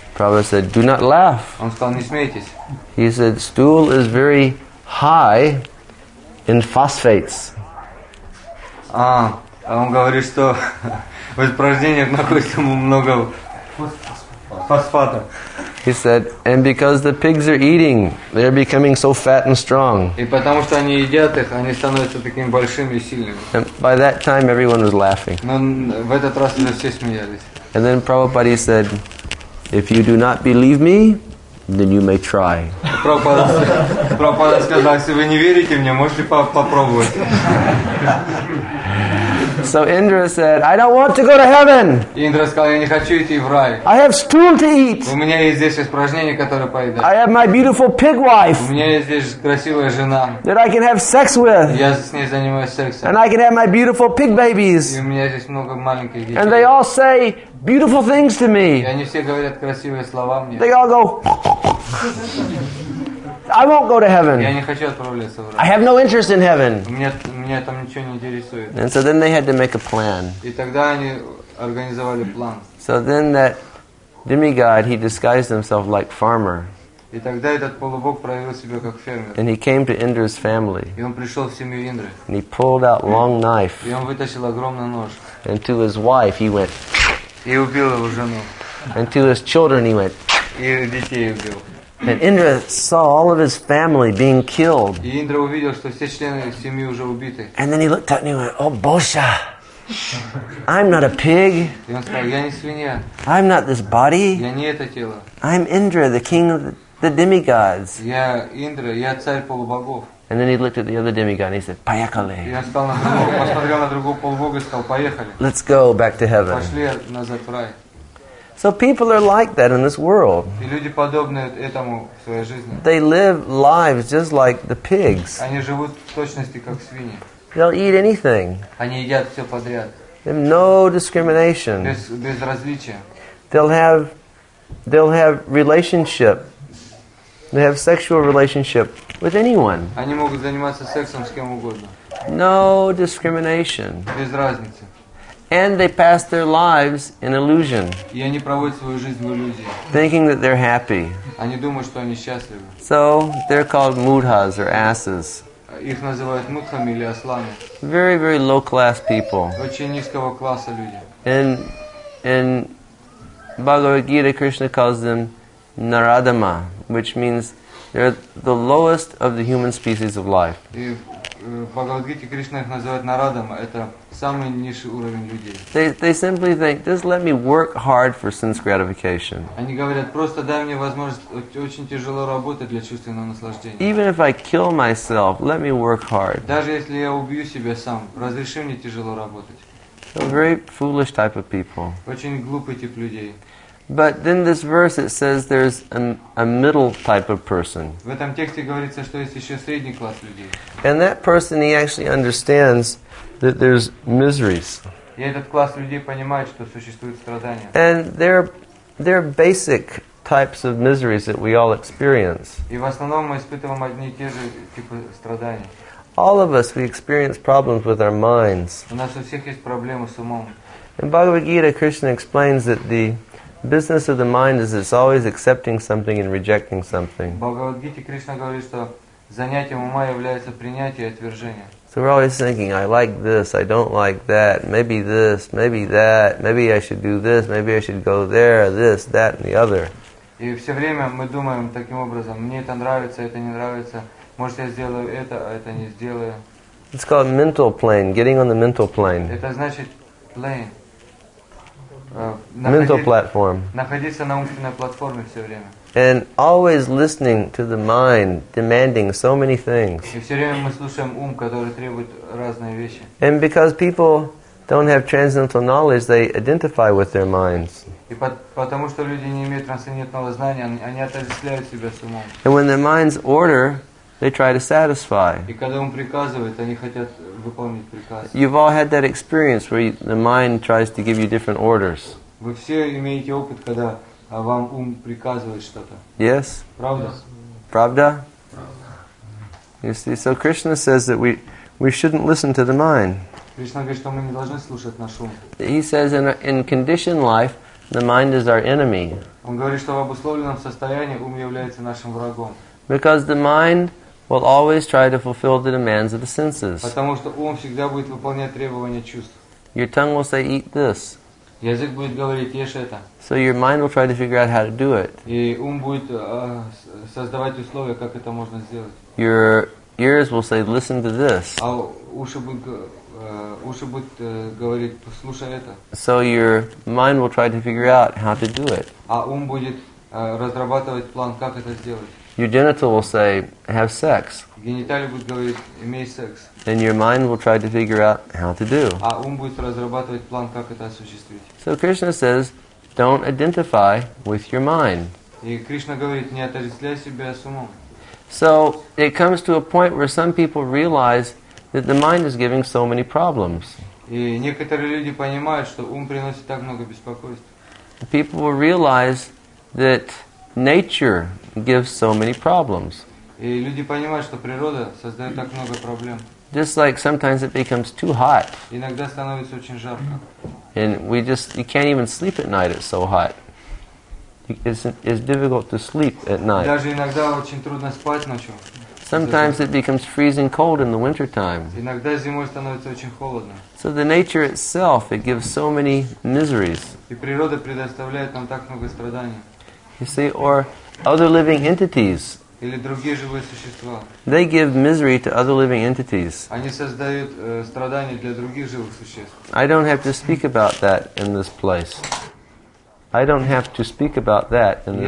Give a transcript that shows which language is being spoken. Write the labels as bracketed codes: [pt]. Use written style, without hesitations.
[en] Prabhupada said, do not laugh. [ru] Он сказал, не смейтесь. [en] He said, stool is very high in phosphates. [ru] А он говорит, что в испражнениях находится много фосфатов. [en] He said, and because the pigs are eating, they're becoming so fat and strong. [ru] И потому что они едят их, они становятся такими большими и сильными. [en] And by that time, everyone was laughing. [ru] Но в этот раз уже все смеялись. [en] And then Prabhupada said, if you do not believe me, then you may try. [ru] Прабхупада сказал, если вы не верите мне, можете попробовать. [en] So Indra said, I don't want to go to heaven. [ru] Индра сказал, я не хочу идти в рай. [en] I have stool to eat. [ru] У меня есть здесь испражнение, которое поедать. [en] I have my beautiful pig wife. [ru] У меня есть здесь красивая жена. [en] That I can have sex with. [ru] Я с ней занимаюсь сексом. [en] And I can have my beautiful pig babies. [ru] И у меня здесь много маленьких детей. [en] And they all say beautiful things to me. [ru] И они все говорят красивые слова мне. [en] They all go, I won't go to heaven. [ru] Я не хочу отправляться в рай. [en] I have no interest in heaven. [ru] Меня там ничего не интересует. [en] And so then they had to make a plan. [ru] И тогда они организовали план. [en] So then that demigod, he disguised himself like farmer. [ru] И тогда этот полубог проявил себя как фермер. [en] And he came to Indra's family. [ru] И он пришел в семью Индры. [en] And he pulled out long knife. [ru] И он вытащил огромный нож. [en] And to his wife he went. [ru] И убил его жену. [en] And to his children he went. [ru] И детей убил. [en] And Indra saw all of his family being killed. [ru] И Индра увидел, что все члены семьи уже убиты. [en] And then he looked at me and went, "Oh, Bosha, I'm not a pig. [ru] И он сказал, "Я не свинья. [en] I'm not this body. [ru] Я не это тело. [en] I'm Indra, the king of the demigods." [ru] Я Индра, я царь полубогов. [en] And then he looked at the other demigod and he said, [ru] "Поехали." И он стал на другого, посмотрел на другого полубога и сказал, "Поехали." [en] Let's go back to heaven. [ru] Пошли назад в рай. [en] So people are like that in this world. [ru] И люди подобны этому в своей жизни. [en] They live lives just like the pigs. [ru] Они живут в точности как свиньи. [en] They'll eat anything. [ru] Они едят все подряд. [en] There's no discrimination. [ru] Без различия. [en] They'll have relationship. They have sexual relationship with anyone. [ru] Они могут заниматься сексом с кем угодно. [en] No discrimination. [ru] Без разницы. [en] And they pass their lives in illusion. [ru] И они проводят свою жизнь в иллюзии. [en] Thinking that they're happy. [ru] Они думают, что они счастливы. [en] So they're called mudhas or asses. [ru] Их называют мудхами или ослами. [en] Very, very low class people. [ru] Очень низкого класса люди. [en] And Bhagavad Gita, Krishna calls them Naradama, which means they're the lowest of the human species of life. [ru] Бхагавад-гите Кришна их называет нарадама. Это самый низший уровень людей. [en] They simply think, just let me work hard for sense gratification. [ru] Они говорят, просто дай мне возможность очень тяжело работать для чувственного наслаждения. [en] Even if I kill myself, let me work hard. [ru] Даже если я убью себя сам, разреши мне тяжело работать. [en] A very foolish type of people. [ru] Очень глупый тип людей. [en] But then this verse, it says there's a middle type of person. [ru] В этом тексте говорится, что есть еще средний класс людей. [en] And that person, he actually understands that there's miseries. [ru] И этот класс людей понимает, что существуют страдания. [en] And they're basic types of miseries that we all experience. [ru] И в основном мы испытываем одни и те же типы страданий. [en] All of us, we experience problems with our minds. [ru] У нас у всех есть проблемы с умом. [en] In Bhagavad Gita, Krishna explains that the business of the mind is it's always accepting something and rejecting something. [ru] Bhagavad Gita Krishna говорит, что занятием ума является принятие и отвержение. [en] So we're always thinking, I like this, I don't like that, maybe this, maybe that, maybe I should do this, maybe I should go there, this, that, and the other. [ru] И все время мы думаем таким образом, мне это нравится, это не нравится, может я сделаю это, а это не сделаю. [en] It's called mental plane, getting on the mental plane. [ru] Это значит plane. [en] Mental platform. [ru] Находиться на умственной платформе все время. [en] And always listening to the mind demanding so many things. [ru] И все время мы слушаем ум, который требует разные вещи. [en] And because people don't have transcendental knowledge, they identify with their minds. [ru] И потому что люди не имеют трансцендентного знания, они отождествляют себя с умом. [en] And when their minds order, they try to satisfy. [ru] И когда ум приказывает, они хотят выполнить приказ. [en] You've all had that experience where the mind tries to give you different orders. [ru] Вы все имеете опыт, когда вам ум приказывает что-то. [en] Yes. [ru] Правда? Правда? Правда. [en] You see, so Krishna says that we shouldn't listen to the mind. [ru] Кришна говорит, что мы не должны слушать наш ум. [en] He says in conditioned life, the mind is our enemy. [ru] Он говорит, что в обусловленном состоянии ум является нашим врагом. [en] Because the mind will always try to fulfill the demands of the senses. [ru] Потому что ум всегда будет выполнять требования чувств. [en] Your tongue will say, "Eat this." [ru] Язык будет говорить, ешь это. [en] So your mind will try to figure out how to do it. [ru] И ум будет создавать условия, как это можно сделать. [en] Your ears will say, "Listen to this." [ru] А уши будут говорить, слушай это. [en] So your mind will try to figure out how to do it. [ru] А ум будет разрабатывать план, как это сделать. [en] Your genital will say, "Have sex." [ru] Гениталии будут говорить, имей секс. [en] And your mind will try to figure out how to do. [ru] А ум будет разрабатывать план, как это осуществить. [en] So Krishna says, "Don't identify with your mind." [ru] И Кришна говорит, не отождествляй себя с умом. [en] So it comes to a point where some people realize that the mind is giving so many problems. [ru] И некоторые люди понимают, что ум приносит так много беспокойств. [en] People will realize that nature gives so many problems. [ru] И люди понимают, что природа создает так много проблем. [en] Just like sometimes it becomes too hot. [ru] Иногда становится очень жарко. [en] And you can't even sleep at night, it's so hot. It's difficult to sleep at night. [ru] Даже иногда очень трудно спать ночью. [en] Sometimes it becomes freezing cold in the winter time. [ru] Иногда зимой становится очень холодно. [en] So the nature itself, it gives so many miseries. [ru] И природа предоставляет нам так много страданий. [en] You see, or other living entities. [ru] Или другие живые существа. [en] They give misery to other living entities. [ru] Они создают страдания для других живых существ. [en] I don't have to speak about that in this place. I don't have to speak about that in this place.